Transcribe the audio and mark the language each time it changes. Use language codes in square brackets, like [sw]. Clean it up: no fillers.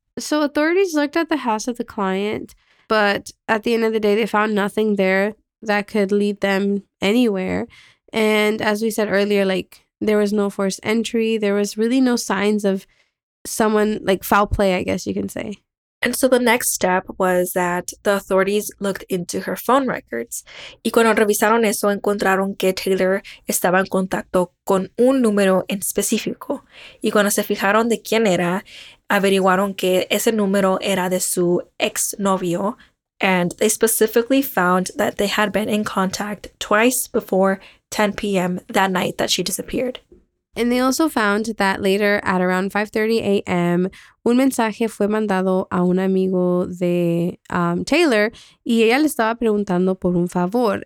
[en] So authorities looked at the house of the client, but at the end of the day, they found nothing there that could lead them anywhere. And as we said earlier, like, there was no forced entry. There was really no signs of someone, like, foul play, I guess you can say. And so the next step was that the authorities looked into her phone records. [es] Y cuando revisaron eso, encontraron que Taylor estaba en contacto con un número en específico. Y cuando se fijaron de quién era, averiguaron que ese número era de su exnovio. [en] And they specifically found that they had been in contact twice before 10 p.m. that night that she disappeared. And they also found that later at around 5:30 a.m., [es] un mensaje fue mandado a un amigo de Taylor y ella le estaba preguntando por un favor.